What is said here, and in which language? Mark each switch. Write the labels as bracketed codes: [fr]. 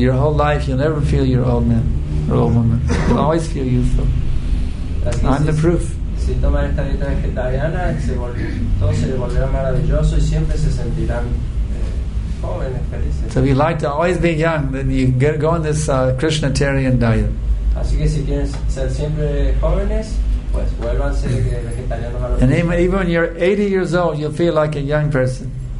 [en] Your whole life, you'll never feel your old man or old woman. You'll always feel youthful. I'm the proof. [es] Si toman esta dieta vegetariana, todo se volverá maravilloso y siempre se sentirán jóvenes, felices. [en] So if you like to always be young, then you get go on this Krishnatarian diet. [es] Así que si quieren ser siempre jóvenes, pues vuélvanse vegetarianos a los. [en] And even when you're 80 years old, you'll feel like a young person.